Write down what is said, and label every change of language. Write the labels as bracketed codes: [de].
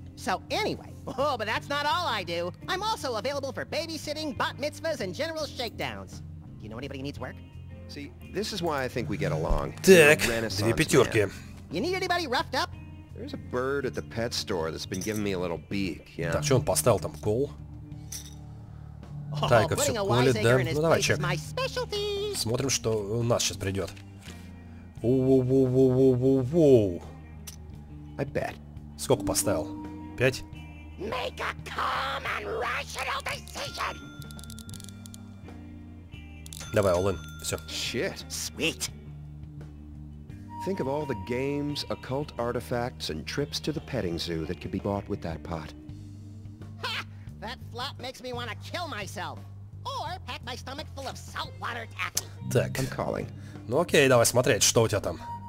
[en] So anyway, oh, but that's not all I do. I'm also available for babysitting, bat mitzvahs, and general shakedowns. Do you know anybody who needs work? See, this is why I think we get along. [ru] Так, две пятерки. [en] You need anybody roughed up? There's a bird at the pet store that's been giving me a little beak, yeah. [ru] Так, что он поставил там, кол? Тайка все колет, да? Ну давай, чек. Смотрим, что у нас сейчас придет. Воу-воу-воу-воу-воу-воу. [en] I bet. [ru] Сколько поставил? Пять? [en] Make a calm and rational decision! [ru] Давай, all-in. Все. [en] Shit. Sweet. Think of all the games, occult artifacts, and trips to the petting zoo that could be bought with that pot. Ha! That flop makes me want to kill myself. Or pack my stomach full of saltwater taffy. [ru] Так. [en] I'm calling. [ru] Ну окей, давай смотреть, что у тебя там.